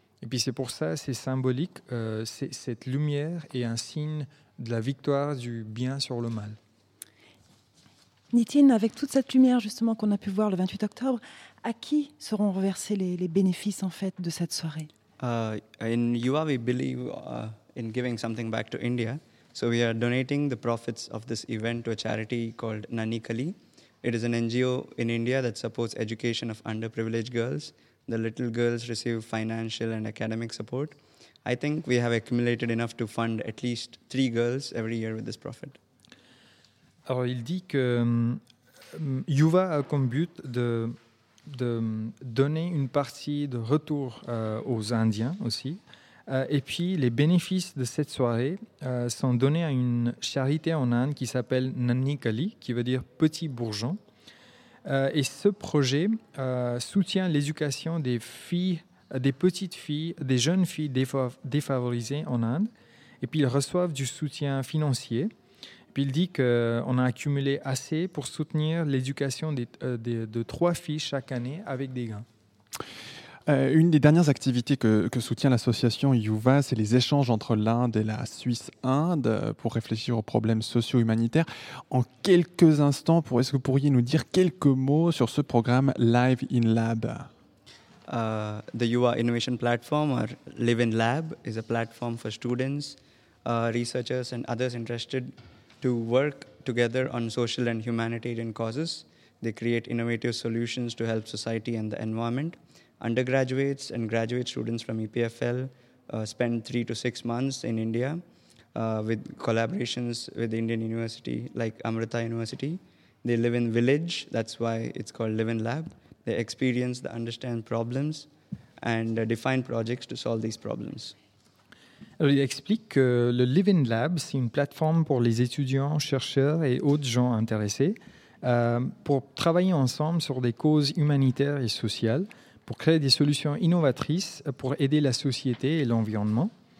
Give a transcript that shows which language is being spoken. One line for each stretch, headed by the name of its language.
French: Et puis c'est pour ça, c'est symbolique, cette lumière est un signe de la victoire du bien sur le mal. Nitin, avec toute cette lumière justement qu'on a pu voir le 28 octobre, à qui seront reversés les bénéfices en fait de cette soirée?
English: In Yuva, we believe in giving something back to India, so we are donating the profits of this event to a charity called Nani Kali. It is an NGO in India that supports education of underprivileged girls. The little girls receive financial and academic support. I think we have accumulated enough to fund at least 3 girls every year with this profit.
French: Alors, il dit que Yuva a comme but de donner une partie de retour aux Indiens aussi. Et puis, les bénéfices de cette soirée sont donnés à une charité en Inde qui s'appelle Nani Kali, qui veut dire petit bourgeon. Et ce projet soutient l'éducation des filles, des petites filles, des jeunes filles défavorisées en Inde. Et puis, ils reçoivent du soutien financier. Et puis, il dit qu'on a accumulé assez pour soutenir l'éducation de 3 filles chaque année avec des gains. Une des dernières activités que soutient l'association Yuva, c'est les échanges entre l'Inde et la Suisse-Inde pour réfléchir aux problèmes socio-humanitaires. En quelques instants, est-ce que vous pourriez nous dire quelques mots sur ce programme Live in Lab?
English: The Yuva Innovation Platform, or Live in Lab, is a platform for students, researchers and others interested to work together on social and humanitarian causes. They create innovative solutions to help society and the environment. Undergraduates and graduate students from EPFL spend 3 to 6 months in India with collaborations with Indian University like Amrita University. They live in village, that's why it's called Live in Lab. They experience, they understand problems and define projects to solve these problems.
French: Alors, il explique que le Live in Lab, c'est une plateforme pour les étudiants, chercheurs et autres gens intéressés pour travailler ensemble sur des causes humanitaires et sociales, pour créer des solutions innovatrices pour aider la société et l'environnement.